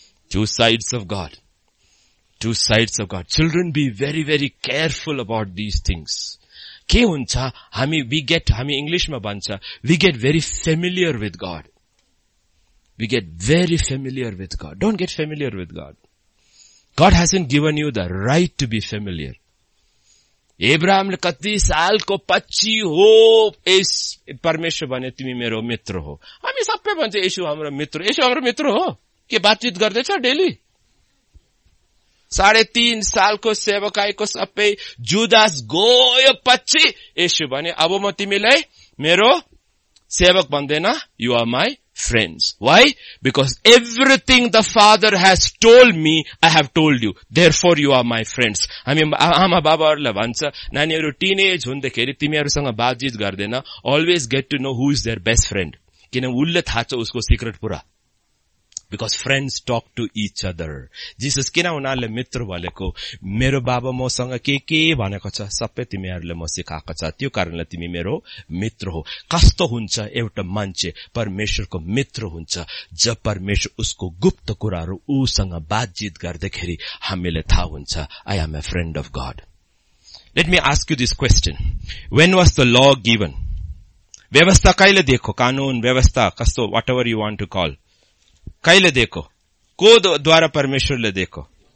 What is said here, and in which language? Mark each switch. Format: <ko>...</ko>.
<en>Two sides of God. Two sides of God. Children, be very, very careful about these things.</en> <ne>Ke huncha, hami English ma bancha,</ne> <en>we get very familiar with God. We get very familiar with God. Don't get familiar with God. God hasn't given you the right to be familiar.</en> <ne>एब्राहमले कति सालको पछि हो यस परमेश्वर भने तिमी मेरो मित्र हो? हामी सबै भन्छ यसु हाम्रो मित्र, यसु हाम्रो मित्र हो के? बातचित गर्दैछ डेली? 3.5 सालको सेवकाईको सबै जुदास गयो पछि यसु भने, अब म तिमीलाई मेरो सेवक भन्दैन,</ne> <en>You are my friends. Why? Because everything the Father has told me I have told you, therefore you are my friends.</en> <ne>हामी आमा बाबाहरूलाई भन्छ, नानीहरू टिन एज हुँदाखेरि तिमीहरूसँग बातचित गर्दैन,</ne> <en>always get to know who is their best friend,</en> <ne>किन उसले थाहा छ उसको सिक्रेट पुरा।</ne> <en>Because friends talk to each other. Jesus</en> <ne>किन उनीहरूले मित्र भनेको? मेरो बाबा मसँग के भनेको छ सबै तिमीहरूले म सिकाएको छ, त्यो कारणले तिमी मेरो मित्र हो। कस्तो हुन्छ एउटा मान्छे परमेश्वरको मित्र हुन्छ? जब परमेश्वर उसको गुप्त कुराहरू ऊसँग बातचित गर्दाखेरि हामीले थाहा हुन्छ,</ne> <en>I am a friend of God. Let me ask you this question, when was the law given?</en> <ne>व्यवस्था कहिले दिएको? कानून, व्यवस्था, कस्तो,</ne> <en>whatever you want to call,</en> <ne>कहिले दिएको? को द्वारा परमेश्वरले दिएको?</ne>